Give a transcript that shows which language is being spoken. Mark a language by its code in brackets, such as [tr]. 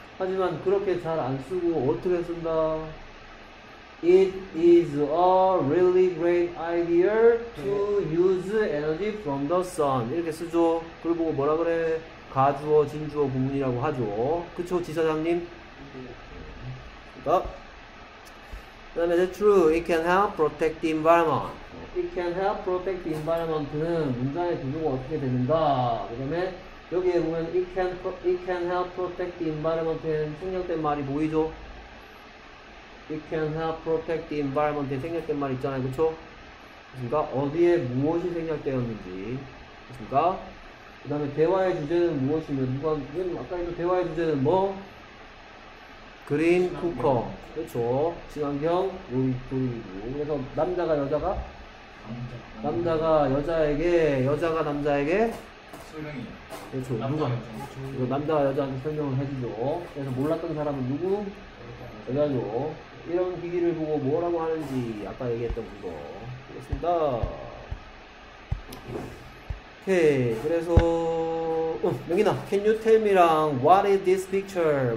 [ko] 하지만 그렇게 잘 안 쓰고 어떻게 쓴다? [en] it is a really great idea to use energy from the sun. [ko] 이렇게 쓰죠. 그걸 보고 뭐라 그래? 가주어, 진주어, 구문이라고 하죠. 그쵸, 지사장님? 그니까. 그 다음에, [en] that's true. It can help protect the environment. It can help protect the environment는 문장의 구조가 어떻게 되는가. [ko] 그 다음에, 여기에 보면, [en] it can help protect the environment [ko] 에는 생략된 말이 보이죠? [en] It can help protect the environment [ko] 에 생략된 말이 있잖아요. 그쵸? 그니까, 어디에 무엇이 생략되었는지. 그니까. 그 다음에 대화의 주제는 무엇이며 누가 아까 이거 대화의 주제는 뭐? 그린 쿠커. 그렇죠. 친환경 요리이고. 그래서 남자가 여자가? 남자가 여자에게 여자가 남자에게? 설명이에요. 그렇죠. 누가? 그래서 남자가 여자한테 설명을 해주죠. 그래서 몰랐던 사람은 누구? 여자죠. 이런 기기를 보고 뭐라고 하는지 아까 얘기했던 그거. 그렇습니다. 오케이. [en] 그래서 여기나 can you tell me랑 what is this picture?